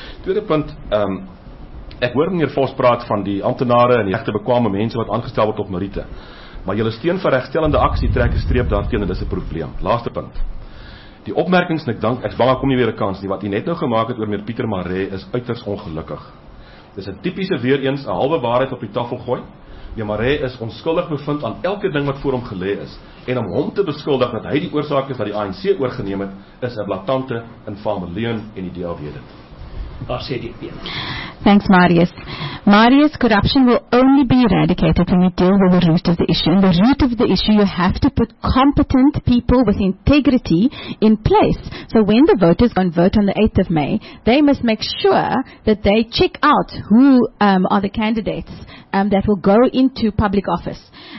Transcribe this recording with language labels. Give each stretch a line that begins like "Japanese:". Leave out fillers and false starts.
Afrikaans: Tweede punt, ek hoor meneer Vos praat van die ambtenare en die regte bekwame mense wat aangestel word op meriete. Maar jy steun vir regstellende aksie trek 'n streep daarteen en dis 'n probleem. Laaste punt. Die opmerkings, ek dank, ek is bang, ek kom nie weer 'n kans nie, wat jy net nou gemaak het oor meneer Pieter Maree is uiters ongelukkig. Dis 'n typiese weer eens, 'n halwe waarheid op die tafel gooi. Meneer Maree is onskuldig bevind aan elke ding wat voor hom gelê is. En om hom te beskuldig dat hy die oorsaak is wat die ANC oorgeneem het, is 'n blatante infame leuen en die DA weet dit. Daar sê die PM.
English: Thanks, Marius. Marius, corruption will only be eradicated when you deal with the root of the issue. And the root of the issue, you have to put competent people with integrity in place. So when the voters go and vote on the 8th of May, they must make sure that they check out who are the candidates that will go into public office.